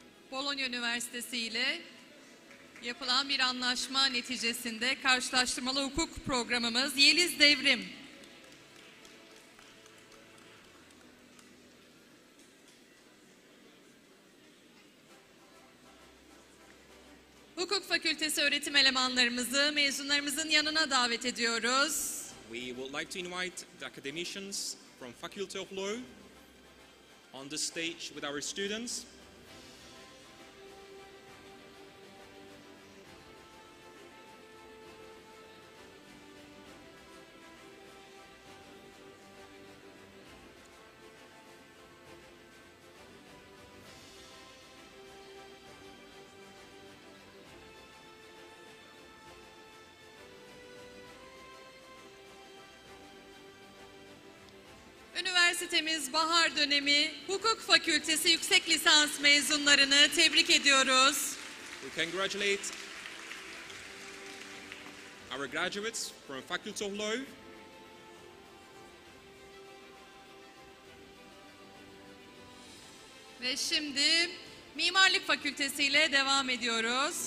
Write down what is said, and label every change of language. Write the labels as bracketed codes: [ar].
[tr] Bologna Üniversitesi ile yapılan bir anlaşma neticesinde karşılaştırmalı hukuk programımız Yeliz Devrim. Hukuk Fakültesi öğretim elemanlarımızı mezunlarımızın yanına davet ediyoruz. [en] We would like to invite the academicians from Faculty of Law on the stage with our students. [tr] Üniversite Üniversitemiz Bahar Dönemi Hukuk Fakültesi Yüksek Lisans mezunlarını tebrik ediyoruz. [en] We congratulate our graduates from Faculty of Law. [tr] Ve şimdi Mimarlık Fakültesi ile devam ediyoruz.